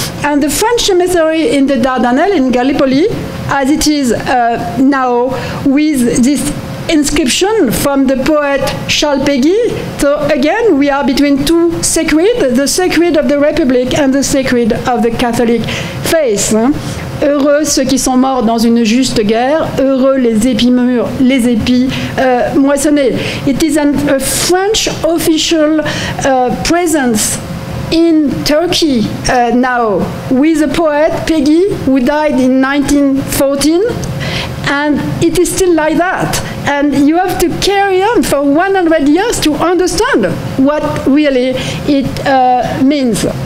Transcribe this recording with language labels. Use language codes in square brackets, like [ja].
[en] And the French cemetery in the Dardanelles, in Gallipoli, as it is now, with this inscription from the poet Charles Péguy. So again, we are between two sacred, the sacred of the Republic and the sacred of the Catholic faith. Hein? [fr] Heureux ceux qui sont morts dans une juste guerre, heureux les épis mûrs, les épis moissonnés. [en] It is a French official presence in Turkey now, with a poet, Peggy, who died in 1914, And it is still like that. And you have to carry on for 100 years to understand what really it means.